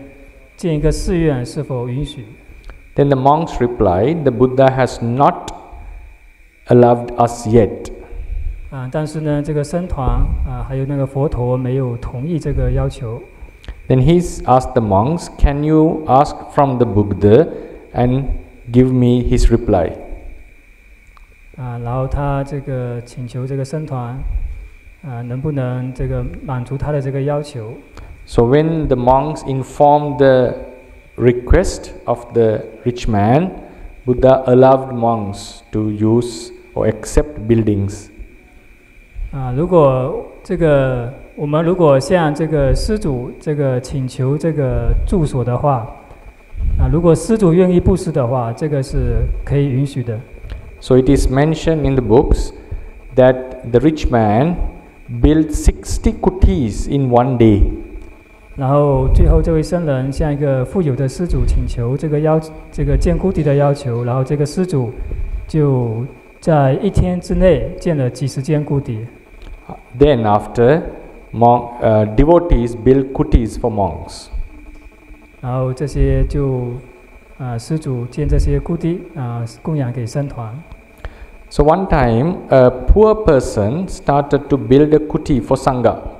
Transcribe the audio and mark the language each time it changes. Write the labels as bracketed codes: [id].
[zh] 然后他就是向僧团请求，如果在这边森林里面建一个寺院，是否允许？ [en] Then the monks replied, the Buddha has not allowed us yet. [zh] 但是呢，这个僧团还有那个佛陀没有同意这个要求。 [en] Then he asked the monks, can you ask from the Buddha and give me his reply? [zh] 然后他这个请求这个僧团能不能这个满足他的这个要求。 [en] So when the monks informed the request of the rich man, Buddha allowed monks to use or accept buildings. [zh] 如果我们向这个施主请求这个住所的话，如果施主愿意布施的话，这个是可以允许的。 [en] So it is mentioned in the books that the rich man built 60 kuti. peace in one day. [zh] 然后最后这位僧人向一个富有的施主请求这个建孤邸的要求，然后这个施主就在一天之内建了几十间孤邸。 [en] Then after monk devotees build kutis for monks. [zh] 然后这些就 施主建这些孤邸供养给僧团。 [en] So one time, a poor person started to build a kuti for Sangha.